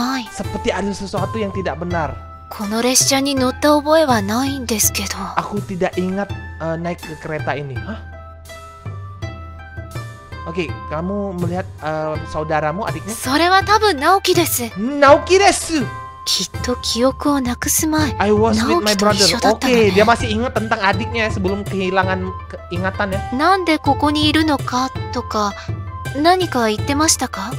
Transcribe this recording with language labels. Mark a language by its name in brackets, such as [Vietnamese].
[Indonesian] Seperti ada sesuatu yang tidak benar. [Japanese] この列車に乗った覚えはないんですけど。 [Indonesian] Aku tidak ingat naik ke kereta ini. Hah? Okay, kamu melihat saudaramu adiknya? [Japanese] それは多分ナオキです。ナオキです。きっと記憶をなくす前。 [English] I was with my brother. [Indonesian] Okay, dia masih ingat tentang adiknya sebelum kehilangan ingatannya. [Japanese] なんでここにいるのかとか何か言ってましたか？